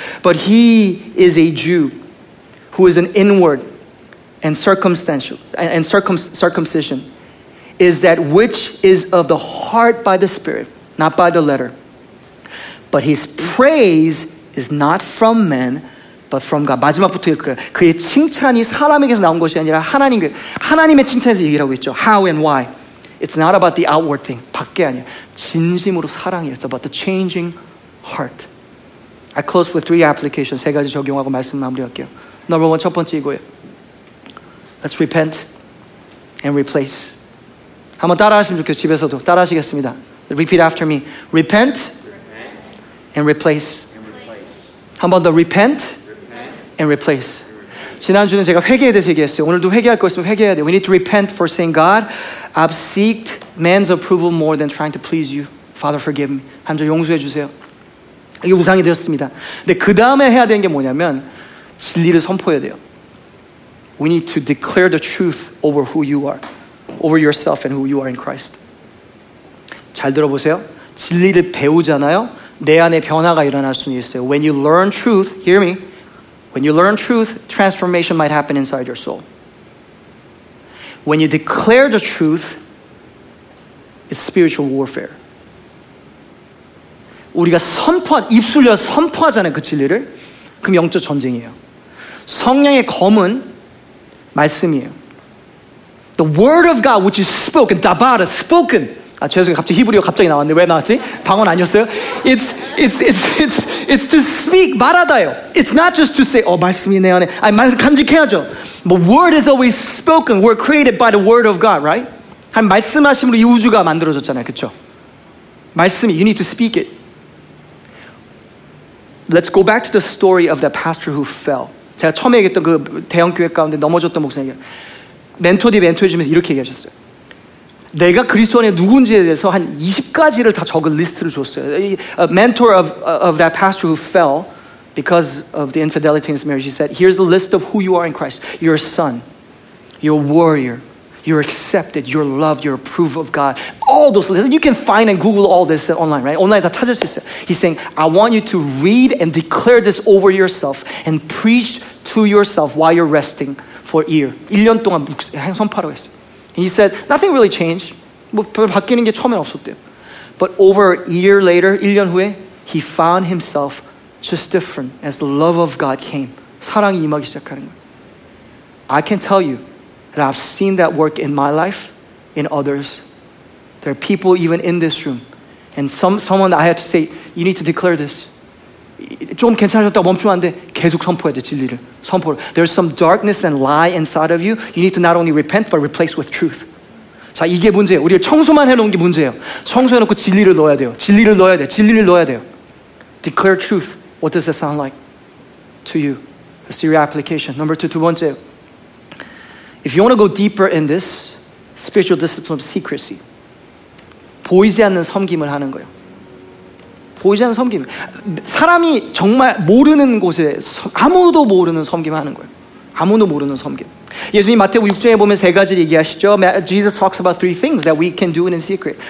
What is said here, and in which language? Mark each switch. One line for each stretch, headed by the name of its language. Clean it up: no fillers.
English: But he is a Jew who is an inward and circumstantial and circumcision. Is that which is of the heart by the Spirit, not by the letter. But his praise is not from men, but from God.
Korean: 마지막부터 읽어요. 그의 칭찬이 사람에게서 나온 것이 아니라 하나님의 칭찬에서 얘기하고 있죠.
English: How and why? It's not about the outward thing.
Korean: 밖에 아니에요. 진심으로 사랑이에요.
English: It's about the changing heart. I close with three applications.
Korean: 세 가지 적용하고 말씀 마무리할게요.
English: Number one,
Korean: 첫 번째 이거예요.
English: Let's repent and replace.
Korean: 한번 따라하시면 좋겠어요. 집에서도 따라하시겠습니다.
English: Repeat after me. Repent and replace. 한번 더 repent and replace.
Korean: 지난주는 제가 회개에 대해서 얘기했어요. 오늘도 회개할 거 있으면 회개해야 돼요.
English: We need to repent for saying, God, I've seeked man's approval more than trying to please you. Father, forgive me.
Korean: 하나님 저 용서해 주세요. 이게 우상이 되었습니다. 근데 그 다음에 해야 되는 게 뭐냐면 진리를 선포해야 돼요.
English: We need to declare the truth over who you are. Over yourself and who you are in Christ.
Korean: 잘 들어보세요. 진리를 배우잖아요. 내 안에 변화가 일어날 수 있어요.
English: When you learn truth, hear me. When you learn truth, transformation might happen inside your soul. When you declare the truth, it's spiritual warfare.
Korean: 우리가 입술로 선포하잖아요, 그 진리를. 그럼 영적 전쟁이에요. 성령의 검은 말씀이에요.
English: The word of God, which is spoken, dabara, spoken,
Korean: 아, 죄송해요. 갑자기 히브리어 갑자기 나왔네. 왜 나왔지? 방언 아니었어요?
English: It's to speak
Korean: 말하다요.
English: It's not just to say
Korean: 어 말씀이 내 안에. 아니 말씀 간직해야죠.
English: But word is always spoken. We're created by the word of God, right?
Korean: 한 말씀하심으로 이 우주가 만들어졌잖아요. 그렇죠? 말씀이
English: you need to speak it. Let's go back to the story of the pastor who fell.
Korean: 제가 처음에 얘기했던 그 대형 교회 가운데 넘어졌던 목사님. 멘토 뒤 멘토 해주면서 이렇게 얘기하셨어요. 내가 그리스도 안에 누군지에 대해서 한 20가지를 다 적은 리스트를 줬어요.
English: A mentor of that pastor who fell because of the infidelity in his marriage, he said, here's the list of who you are in Christ. You're a son. You're a warrior. You're accepted. You're loved. You're approved of God. All those lists. You can find and Google all this online, right?
Korean: Online 다 찾을 수 있어요.
English: He's saying, I want you to read and declare this over yourself and preach to yourself while you're resting for a year.
Korean: 1년 동안 선포하라고 했어요.
English: And he said, nothing really changed.
Korean: 뭐, 별 바뀌는 게 처음엔 없었대요.
English: But over a year later,
Korean: 1년 후에,
English: he found himself just different as the love of God came.
Korean: 사랑이 임하기 시작하는 거예요.
English: I can tell you that I've seen that work in my life, in others. There are people even in this room. And someone that I had to say, you need to declare this.
Korean: 좀 괜찮아졌다 멈추면 안 돼. 계속 선포해야 돼, 진리를. 선포를.
English: There's some darkness and lie inside of you. You need to not only repent, but replace with truth.
Korean: 자, 이게 문제예요. 우리가 청소만 해놓은 게 문제예요. 청소해놓고 진리를 넣어야 돼요. 진리를 넣어야 돼요. 진리를 넣어야 돼요.
English: Declare truth. What does that sound like to you? That's your application. Number two,
Korean: 두 번째요.
English: If you want to go deeper in this, spiritual discipline of secrecy.
Korean: 보이지 않는 섬김을 하는 거예요. 보이지 않는 섬김. 사람이 정말 모르는 곳에 아무도 모르는 섬김을 하는 거예요. 아무도 모르는 섬김. 예수님 마태복음 6장에 보면 세 가지를 얘기하시죠.
English: Jesus talks about three things that we can do in secret.